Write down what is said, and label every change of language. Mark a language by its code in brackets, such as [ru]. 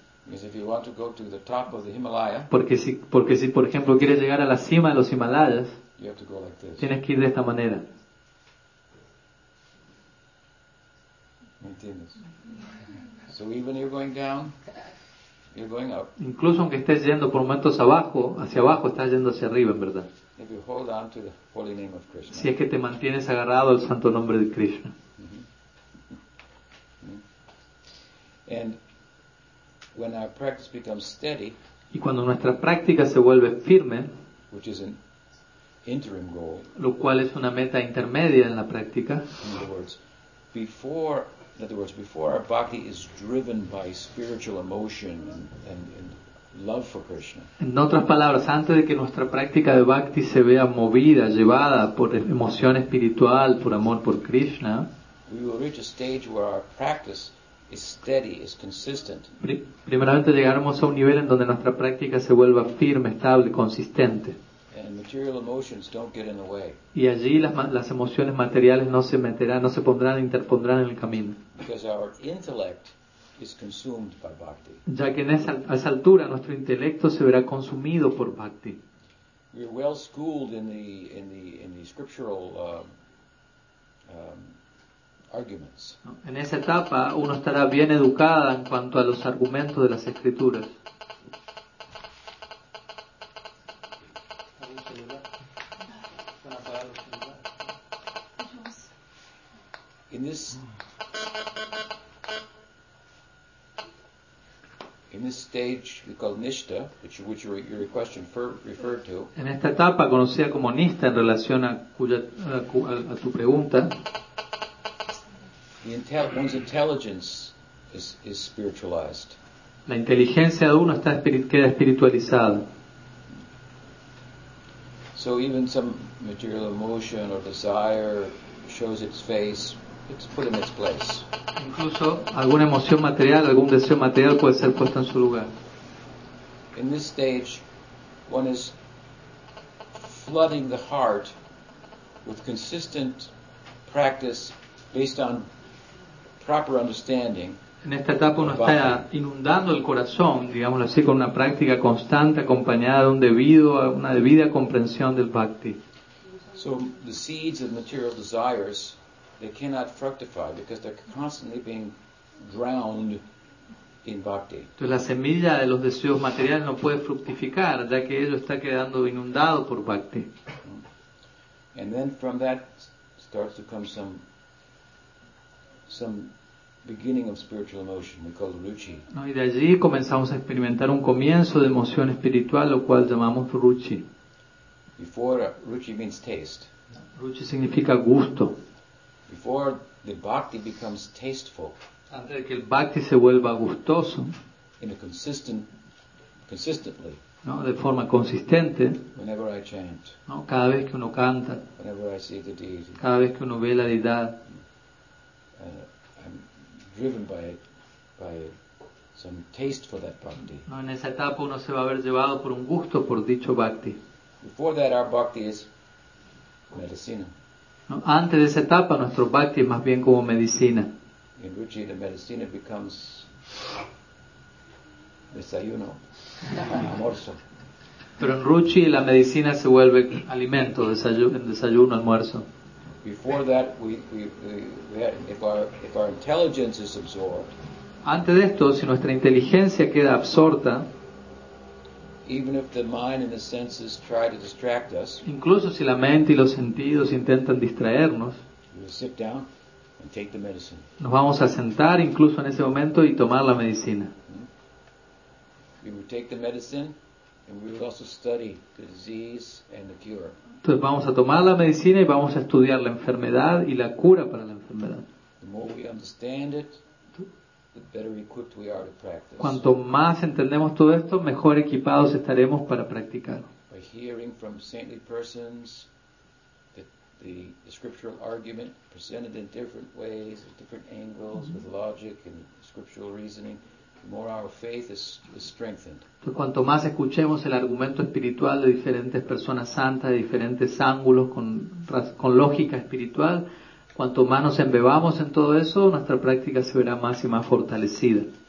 [en] Because if you want to go to the top of the Himalaya, [es] porque si, por ejemplo, quieres llegar a la cima de los Himalayas, [en] you have to go like this. [es] Tienes que ir de esta manera. ¿Me entiendes? [en] So even you're going down, you're going up. [es] Incluso aunque estés yendo por momentos abajo, hacia abajo, estás yendo hacia arriba, en verdad. [en] If you hold on to the holy name of Krishna. [es] Si es que te mantienes agarrado al santo nombre de Krishna. [en] And when our practice becomes steady, [es] y cuando nuestra práctica se vuelve firme, [en] which is an interim goal, [es] lo cual es una meta intermedia en la práctica. [en] In other words, before our bhakti is driven by spiritual emotion and love for Krishna. [es] En otras palabras, antes de que nuestra práctica de bhakti se vea movida, llevada por emoción espiritual, por amor por Krishna, [en] we will reach a stage where our practice is steady, is consistent. [es] Primeramente llegaremos a un nivel en donde nuestra práctica se vuelva firme, estable, consistente. [en] And material emotions don't get in the way. [es] Y allí las emociones materiales no se meterán, no se pondrán, interpondrán en el camino. [en] Because our intellect is consumed by bhakti. [es] Ya que en esa altura nuestro intelecto se verá consumido por bhakti. [en] We are well schooled in the scriptural arguments. [es] En esa etapa uno estará bien educada en cuanto a los argumentos de las escrituras. [en] In this this stage we call nishta, which your question referred to. [es] En esta etapa conocida como nishta en relación a tu pregunta. [en] One's intelligence is spiritualized. [es] La inteligencia de uno queda espiritualizada. [en] So even some material emotion or desire shows its face. It's put in its place. [es] Incluso alguna emoción material, algún deseo material puede ser puesto en su lugar. [en] In this stage, one is flooding the heart with consistent practice based on proper understanding. [es] En esta etapa uno está inundando el corazón, digámoslo así, con una práctica constante acompañada de una debida comprensión del bhakti. [en] So the seeds of material desires, they cannot fructify because they're constantly being drowned in bhakti. [es] Entonces la semilla de los deseos materiales no puede fructificar ya que ello está quedando inundado por bhakti. [en] And then from that starts to come some beginning of spiritual emotion we call ruchi. [es] No, y de allí comenzamos a experimentar un comienzo de emoción espiritual lo cual llamamos ruchi. [en] Before ruchi means taste. [es] Ruchi significa gusto. [en] Before the bhakti becomes tasteful. [es] Antes de que el bhakti se vuelva gustoso. [en] In a consistently. [es] No, de forma consistente. [en] Whenever I chant. [es] No, cada vez que uno canta. [en] Whenever I see the deity. [es] Cada vez que uno ve la deidad. [en] I'm driven by some taste for that bhakti. [es] No, en esa etapa uno se va a ver llevado por un gusto por dicho bhakti. [en] Before that our bhakti is medicina. [es] No, antes de esa etapa nuestro bhakti es más bien como medicina. [en] In ruchi, the medicina becomes [es] desayuno, almuerzo. Pero en ruchi la medicina se vuelve alimento, desayuno, almuerzo. [en] Before that, if our intelligence is absorbed. [es] Antes de esto, si nuestra inteligencia queda absorta. [en] Even if the mind and the senses try to distract us, [es] incluso si la mente y los sentidos intentan distraernos, [en] we'll sit down and take the medicine. [es] Nos vamos a sentar incluso en ese momento y tomar la medicina. [en] We will take the medicine and we will also study the disease and the cure. [es] Entonces vamos a tomar la medicina y vamos a estudiar la enfermedad y la cura para la enfermedad. [en] The more we understand it, the better equipped we are to practice. [es] Cuanto más entendemos todo esto, mejor equipados estaremos para practicar. [en] By hearing from saintly persons the scriptural argument presented in different ways, at different angles, mm-hmm. with logic and scriptural reasoning, the more our faith is strengthened. [es] Entonces, cuanto más escuchemos el argumento espiritual de diferentes personas santas, de diferentes ángulos, con lógica espiritual, cuanto más nos embebamos en todo eso, nuestra práctica se verá más y más fortalecida.